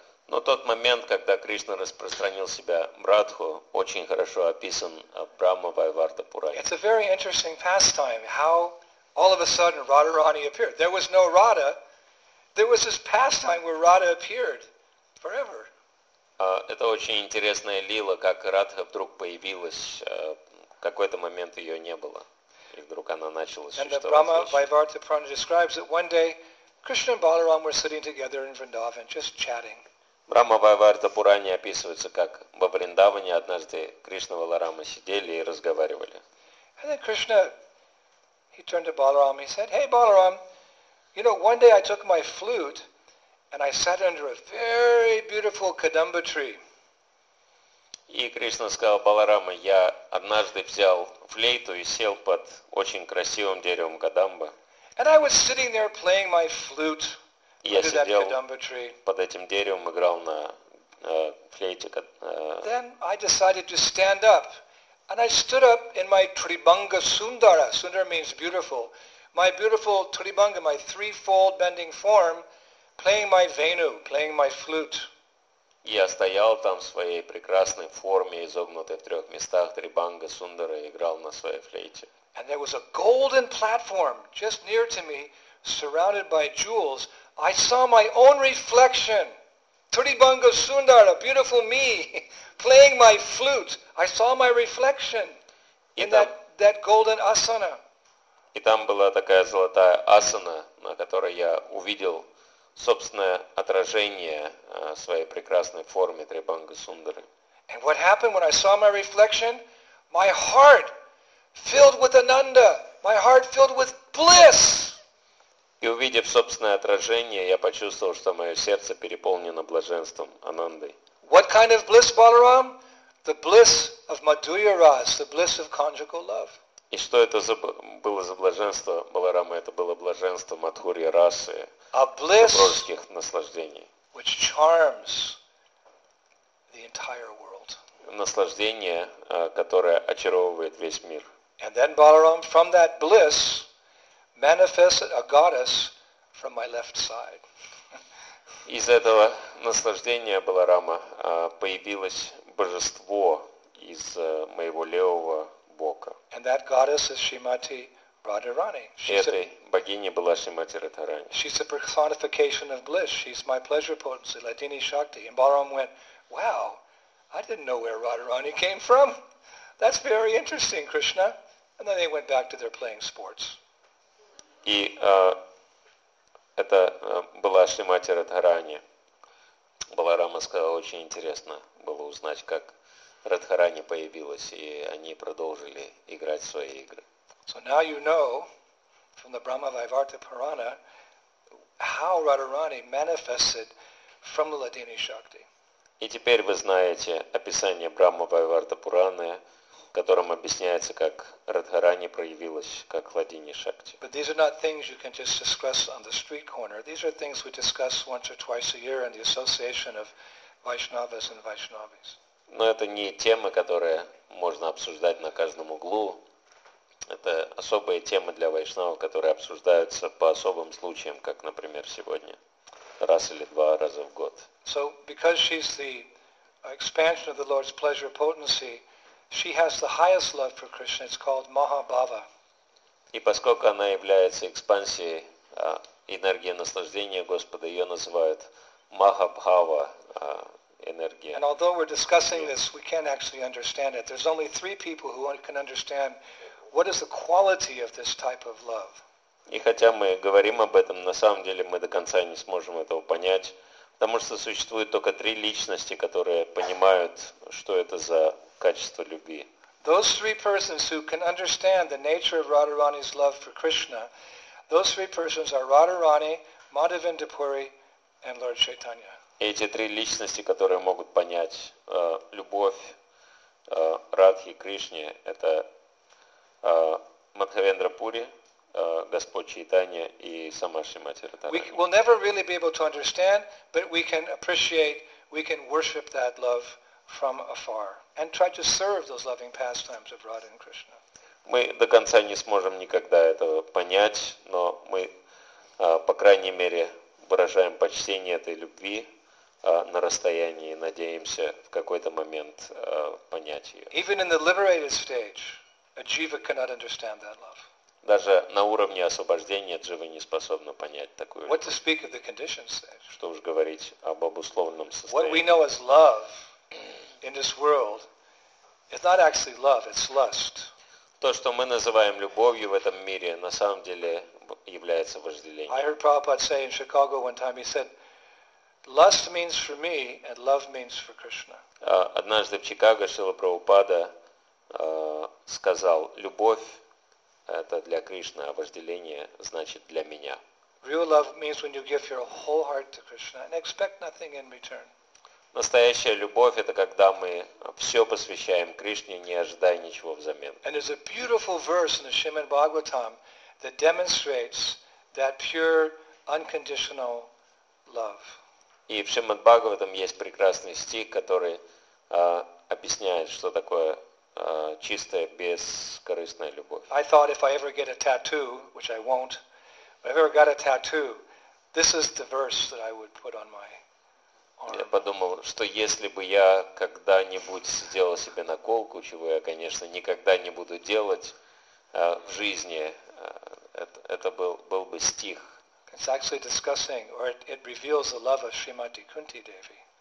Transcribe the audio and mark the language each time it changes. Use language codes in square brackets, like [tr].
[ru] Но тот момент, когда Кришна распространил себя Мрадху, очень хорошо описан в Брахма Вайварта Пуране. [en] It's a very interesting pastime, how all of a sudden Radharani appeared. There was no Radha. There was this pastime where Radha appeared forever. [ru] Это очень интересная лила, как Радха вдруг появилась. В какой-то момент ее не было. И вдруг она начала существовать. [en] And the Brahma Vaivarta Purana describes that one day Krishna and Balaram were sitting together in Vrindavan, just chatting. [ru] Брахма Вайварта Пурани описывается, как во Вриндаване однажды Кришна и Баларама сидели и разговаривали. [en] And then Krishna, he turned to Balaram, he said, hey, Balaram, you know, one day I took my flute and I sat under a very beautiful kadamba tree. [ru] И Кришна сказал Баларама, я однажды взял флейту и сел под очень красивым деревом кадамба. [en] And I was sitting there playing my flute. [ru] Я сидел под этим деревом, играл на флейте. [en] Then I decided to stand up. And I stood up in my Tribhanga Sundara. Sundara means beautiful. My beautiful Tribhanga, my threefold bending form, playing my Venu, playing my flute. [ru] Я стоял там в своей прекрасной форме, изогнутой в трех местах, Трибанга Сундара, и играл на своей флейте. [en] And there was a golden platform just near to me, surrounded by jewels. I saw my own reflection. Tribhanga Sundara, beautiful me, playing my flute. I saw my reflection in that golden asana. [ru] И там была такая золотая асана, на которой я увидел собственное отражение своей прекрасной формы Трибанга Сундары. [en] And what happened when I saw my reflection? My heart filled with ananda. My heart filled with bliss. [ru] И увидев собственное отражение, я почувствовал, что мое сердце переполнено блаженством, анандой. [en] What kind of bliss, Balaram? The bliss of Madhurya Ras, the bliss of conjugal love. [ru] И что это было за блаженство, Баларама? Это было блаженство Мадхурья Расы, супружеских наслаждений. [en] Which charms the entire world. [ru] Наслаждение, которое очаровывает весь мир. [en] And then, Balaram, from that bliss, manifested a goddess from my left side. [ru] Из этого наслаждения Баларама появилось божество из моего левого бока. [en] And that goddess is Shrimati Radharani. [ru] Этой богиней была Шримати Радхарани. [en] She's a personification of bliss. She's my pleasure potency, Ladini Shakti. And Balaram went, wow, I didn't know where Radharani came from. That's very interesting, Krishna. And then they went back to their playing sports. [ru] И это была Шримати Радхарани. Баларама сказал, очень интересно было узнать, как Радхарани появилась, и они продолжили играть в свои игры. [en] So now you know from the Brahma Vaivarta Purana how Radharani manifested from the Ladini Shakti. [ru] И теперь вы знаете описание Брахма Вайварта Пураны, в котором объясняется, как Радхарани проявилась, как Ладини Шакти. [en] But these are not things you can just discuss on the street corner. These are things we discuss once or twice a year in the association of Vaishnavas and Vaishnavis. [ru] Но это не темы, которые можно обсуждать на каждом углу. Это особые темы для вайшнава, которые обсуждаются по особым случаям, как, например, сегодня, раз или два раза в год. [en] So, because she's the expansion of the Lord's pleasure potency, she has the highest love for Krishna. It's called Mahabhava. [ru] И поскольку она является экспансией энергии наслаждения Господа, ее называют Mahabhava энергия. [en] And although we're discussing this, we can't actually understand it. There's only three people who can understand what is the quality of this type of love. [ru] И хотя мы говорим об этом, на самом деле мы до конца не сможем этого понять, потому что существует только три личности, которые понимают, что это за качество любви. [en] Those three persons who can understand the nature of Radharani's love for Krishna, those three persons are Radharani, Madhavendra Puri, and Lord Chaitanya. [ru] Эти три личности, которые могут понять любовь Радхи Кришне, это Мадхавендра Пури, Господь Чайтанья и сама Шримати Радхарани. [en] We will never really be able to understand, but we can appreciate, we can worship that love from afar and try to serve those loving pastimes of Radha and Krishna. [ru] Мы до конца не сможем никогда этого понять, но мы, по крайней мере, выражаем почтение этой любви на расстоянии и надеемся в какой-то момент понять ее. [en] Even in the liberated stage, a jiva cannot understand that love. [ru] Даже на уровне освобождения джива не способна понять такую любовь. [en] What to speak of the conditions stage? [ru] Что уж говорить об обусловленном состоянии. [en] What we know as love in this world is not actually love, it's lust. [ru] То, что мы называем любовью в этом мире, на самом деле является вожделением. [en] I heard Prabhupada say in Chicago one time, he said, lust means for me and love means for Krishna. [ru] Однажды в Чикаго Шрила Прабхупада сказал, любовь это для Кришны, а вожделение значит для меня. [en] Real love means when you give your whole heart to Krishna and expect nothing in return. [ru] Настоящая любовь это когда мы все посвящаем Кришне, не ожидая ничего взамен. [en] And there's a beautiful verse in the Shrimad Bhagavatam that demonstrates that pure unconditional love. [ru] И в Шримад Бхагаватам есть прекрасный стих, который объясняет, что такое чистая, бескорыстная любовь. [en] I thought if I ever get a tattoo, which I won't, but if I ever got a tattoo, this is the verse that I would put on my arm. [ru] Я подумал, что если бы я когда-нибудь сделал себе наколку, чего я, конечно, никогда не буду делать в жизни, это был бы стих. [en] It's actually discussing, or it reveals the love of Srimati Kunti Devi.